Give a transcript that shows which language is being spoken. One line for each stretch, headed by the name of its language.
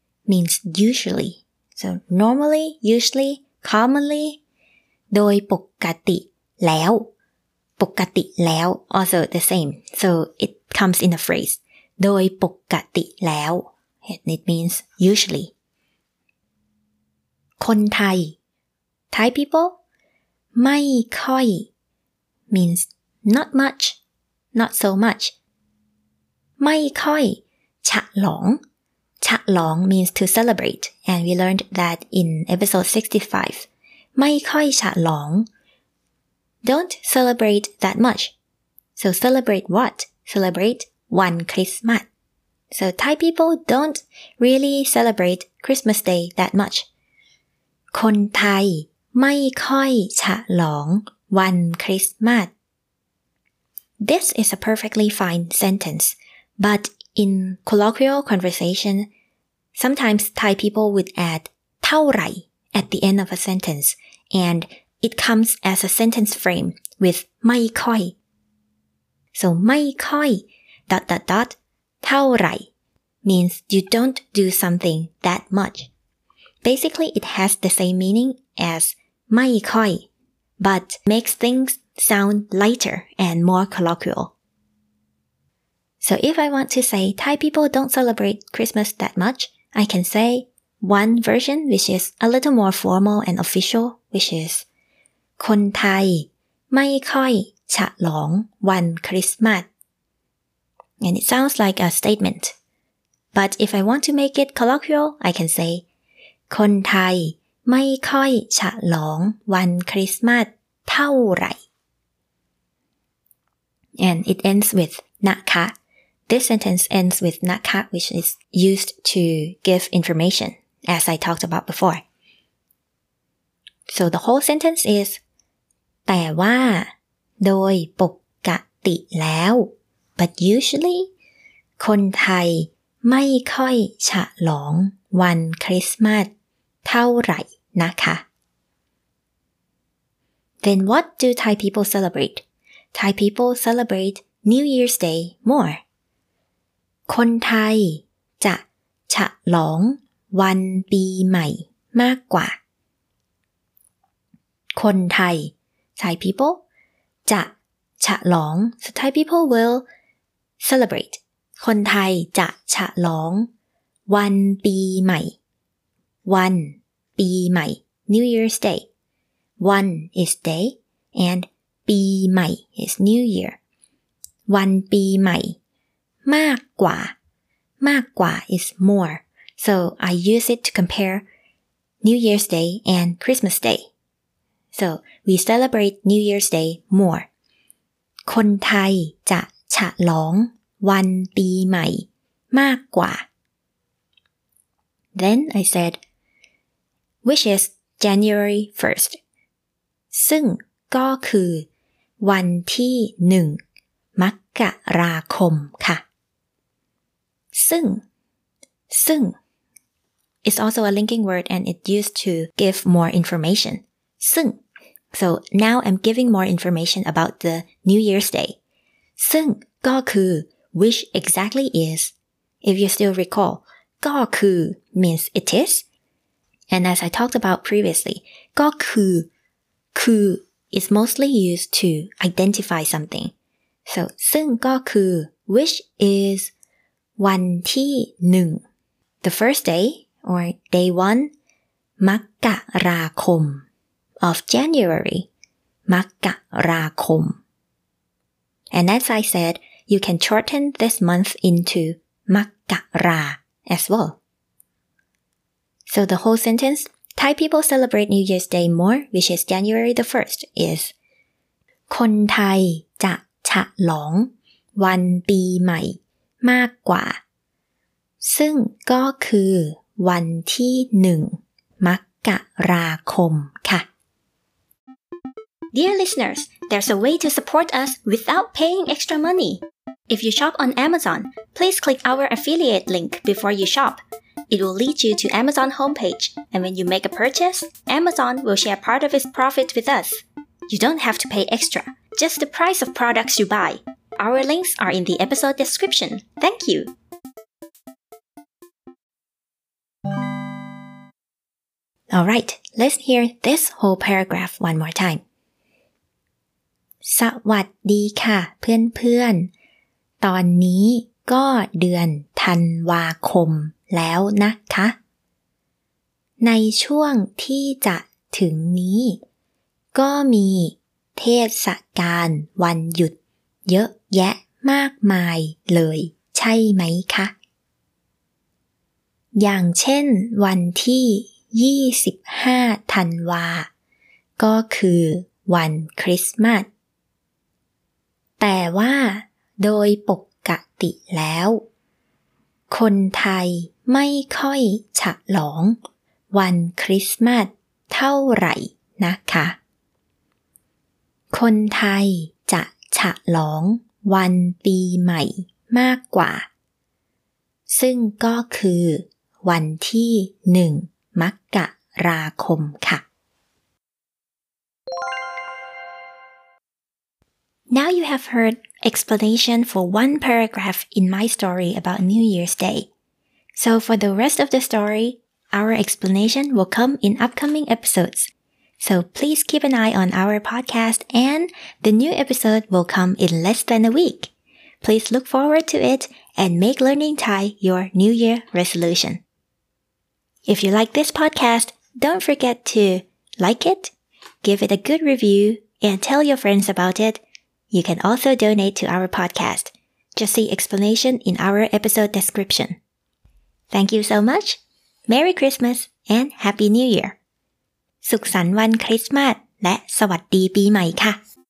English: means usually so normally usuallycommonly
Thai: โดยปกติแล้วปกติแล้ว
English: also the same so it comes in a phrase
Thai: โดยปกติแล้ว
English: and it means usually คนไทย Thai people ไม่ค่อย means not much, not so much.
Thai: ไม่ค่อยฉลองฉลอง
English: means to celebrate, and we learned that in episode 65.
Thai: ไม่ค่อยฉลอง
English: don't celebrate that much. So celebrate what? Celebrate one Christmas. So Thai people don't really celebrate Christmas Day that much.
Thai: คนไทยไม่ค่อยฉลองวันคริสต์มาส
English: This is a perfectly fine sentence, but in colloquial conversation, sometimes Thai people would add เท่าไหร่ at the end of a sentence, and it comes as a sentence frame with ไม่ค่อย So ไม่ค่อย dot dot dot เท่าไหร่ means you don't do something that much. Basically, it has the same meaning as ไม่ค่อย but makes things sound lighter and more colloquial. So if I want to say Thai people don't celebrate Christmas that much, I can say one version which is a little more formal and official, which is
Thai: คนไทยไม่ค่อยฉลองวันคริสต์มาส
English: And it sounds like a statement. But if I want to make it colloquial, I can say
Thai: คนไทยไม่ค่อยฉลองวันคริสต์มาสเท่าไหร่
English: And it ends with นะคะ This sentence ends with นะคะ which is used to give information as I talked about before So the whole sentence is
Thai: แต่ว่าโดยปกติแล้ว
English: But usually
Thai: คนไทยไม่ค่อยฉลองวันคริสต์มาสเท่าไหร่นะคะ
English: Then what do Thai people celebrate? Thai people celebrate New Year's Day more.
Thai: คนไทยจะฉลองวันปีใหม่มากกว่า
English: คนไทย Thai people จะฉลอง so Thai people will celebrate
Thai: คนไทยจะฉลองวันปีใหม่One, ปีใหม่
English: New Year's Day. One is day, and ปีใหม่ is New Year.
Thai: วันปีใหม่มากกว่า
English: มากกว่า is more. So I use it to compare New Year's Day and Christmas Day. So we celebrate New Year's Day more.
Thai: คนไทยจะฉลองวันปีใหม่มากกว่า
English: Then I said,Which is January 1st.
Thai: ซึ่งก็คือวันที่หนึ่งมกราคมค่ะ
English: ซึ่ง is also a linking word and it used to give more information. ซึ่ง So now I'm giving more information about the New Year's Day. ซึ่งก็คือ which exactly is. If you still recall, ก็คือ means it is. And as I talked about previously, ก็คือ คือ is mostly used to identify something. So, ซึ่งก็คือ which is
Thai: วันที่หนึ่ง
English: the first day or day one,
Thai: มกราคม
English: of January,
Thai: มกราคม
English: And as I said, you can shorten this month into
Thai: มกรา
English: as well. So the whole sentence, Thai people celebrate New Year's Day more, which is January the 1st, is
Thai: คนไทยจะฉลองวันปีใหม่มากกว่าซึ่งก็คือวันที่หนึ่งมกราคมค่ะ
English: Dear listeners, there's a way to support us without paying extra money. If you shop on Amazon, please click our affiliate link before you shop. It will lead you to Amazon homepage, and when you make a purchase, Amazon will share part of its profit with us. You don't have to pay extra, just the price of products you buy. Our links are in the episode description. Thank you! Alright, let's hear this whole paragraph one more time.
Thai: สวัสดีค่ะเพื่อนๆตอนนี้ก็เดือนธันวาคมแล้วนะคะในช่วงที่จะถึงนี้ก็ ก็มีเทศกาลวันหยุดเยอะแยะมากมายเลยใช่ไหมคะ อย่างเช่นวันที่25ธันวาก็คือวันคริสต์มาสแต่ว่าโดยปกติแล้วคนไทยไม่ค่อยฉลองวันคริสต์มาสเท่าไหร่นะคะ คนไทยจะฉลองวันปีใหม่มากกว่าซึ่งก็คือวันที่1มกราคมค่ะ
English: Now you have heard explanation for one paragraph in my story about New Year's Day. So for the rest of the story, our explanation will come in upcoming episodes. So please keep an eye on our podcast and the new episode will come in less than a week. Please look forward to it and make learning Thai your New Year resolution. If you like this podcast, don't forget to like it, give it a good review, and tell your friends about it. You can also donate to our podcast. Just see explanation in our episode description. Thank you so much. Merry Christmas and Happy New Year.
Thai: สุขสันต์วันคริสต์มาสและสวัสดีปีใหม่ค่ะ